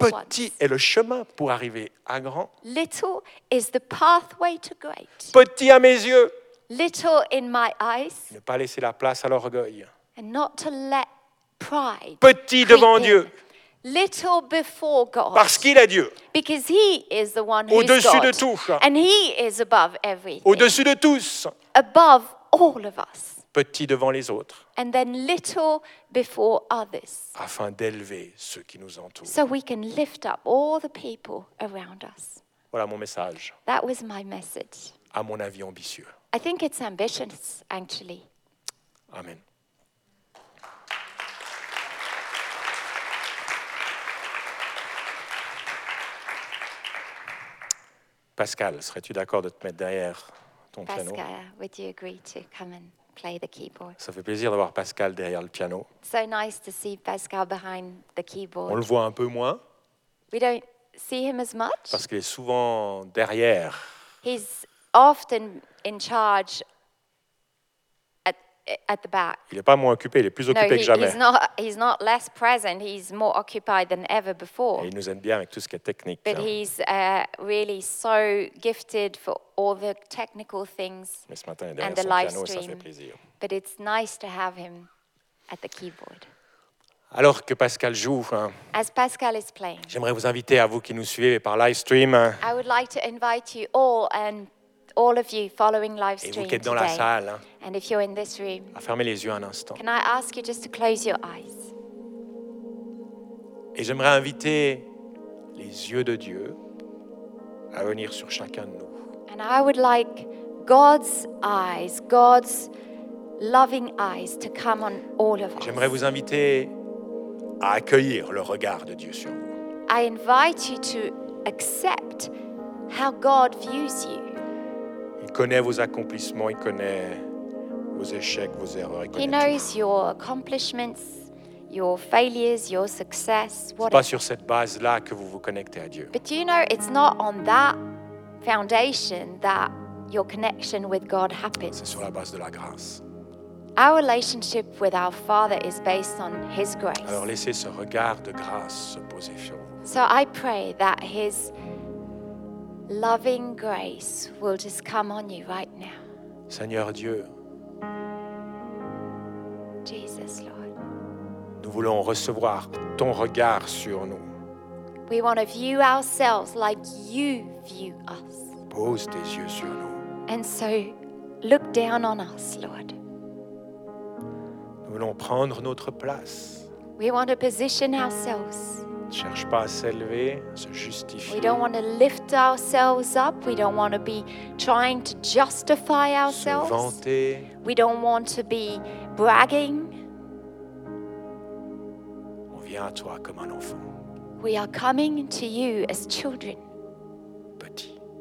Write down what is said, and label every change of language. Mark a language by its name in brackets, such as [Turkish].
[French] petit [English] ones. [French] Petit est le chemin pour arriver à grand. [English] Little is the pathway to great. [French] Petit à mes yeux. [English] Little in my eyes. [French] Ne pas laisser la place à l'orgueil. [English] And not to let pride. [French] Petit devant [English] in. [French] Dieu. [English] Little before God. [French] Parce qu'il est Dieu. [English] Because he is the one who [French] au-dessus [English] is God. [French] De tout. [English] And he is above everything. [French] Au-dessus de tous. [English] Above all of us. [French] Petit devant les autres. [English] And then little before others. [French] Afin d'élever ceux qui nous entourent. [English] So we can lift up all the people around us. [French] Voilà mon message. [English] That was my message. [French] À mon avis ambitieux. [English] I think it's ambitious, actually. [French] Amen. Pascal, serais-tu d'accord de te mettre derrière ton Pascal, piano? [English] Pascal, would you agree to come in? Play the keyboard. [French] Ça fait plaisir d'avoir Pascal derrière le piano. [English] So nice to see Pascal behind the keyboard. [French] On le voit un peu moins. [English] We don't see him as much. [French] Parce qu'il est souvent derrière. [English] He's often in charge at the back. [French] Il n'est pas moins occupé, il est plus occupé que jamais. [English] He's not less present, he's more occupied than ever before. [French] Et il nous aime bien avec tout ce qui est technique. [English] But he's really so gifted for all the technical things. [French] Mais ce matin, il est derrière son piano, ça fait plaisir. [English] But it's nice to have him at the keyboard. [French] Alors que Pascal joue, [English] as Pascal is playing, [French] j'aimerais vous inviter à vous qui nous suivez par live stream. [English] I would like to invite you all and all of you following live stream [French] et vous qui êtes dans [English] today, [French] la salle, [English] and if you're in this room, [French] à fermer les yeux un instant. [English] Can I ask you just to close your eyes? [French] Et j'aimerais inviter les yeux de Dieu à venir sur chacun de nous. [English] And I would like God's eyes, God's loving eyes to come on all of us. [French] J'aimerais vous inviter à accueillir le regard de Dieu sur vous. [English] I invite you to accept how God views you. [French] Il connaît vos accomplissements, il connaît vos échecs, vos erreurs. [English] He knows your accomplishments, your failures, your success. [French] C'est pas sur cette base-là que vous vous connectez à Dieu. [English] But you know, it's not on that foundation that your connection with God happens. [French] C'est sur la base de la grâce. [English] Our relationship with our Father is based on His grace. [French] Alors laissez ce regard de grâce se poser sur vous. [English] So I pray that His loving grace will just come on you right now. [French] Seigneur Dieu. [English] Jesus Lord. [French] Nous voulons recevoir ton regard sur nous. [English] We want to view ourselves like you view us. [French] Pose tes yeux sur nous. [English] And so look down on us, Lord. [French] Nous voulons prendre notre place. [English] We want to position ourselves. [French] On ne cherche pas à s'élever, à se justifier. [English] We don't want to lift ourselves up. We don't want to be trying to justify ourselves. [French] Se vanter. [English] We don't want to be bragging. [French] On vient à toi comme un enfant. [English] We are coming to you as children. [French] Petit.